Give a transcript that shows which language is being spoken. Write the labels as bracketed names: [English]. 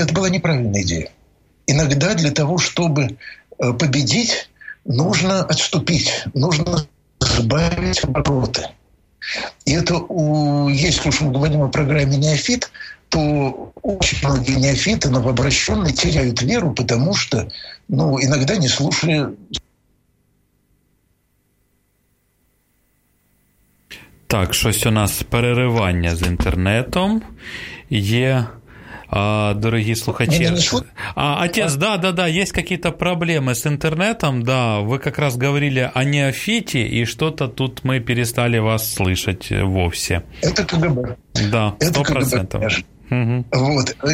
[Russian] Это была неправильная идея. Иногда для того, чтобы победить, нужно отступить. Нужно... сбавить обороты. И это, если уж мы говорим о программе «Неофит», то очень многие неофиты, новообращенные, теряют веру, потому что, ну, иногда не слушали. [Ukrainian] Так, щось у нас переривання з інтернетом є. Дорогі слухачі, [Russian] отец, да, есть какие-то проблемы с интернетом, да, вы как раз говорили о неофите, и что-то тут мы перестали вас слышать вовсе. Это КГБ. Да, 100%. Вот.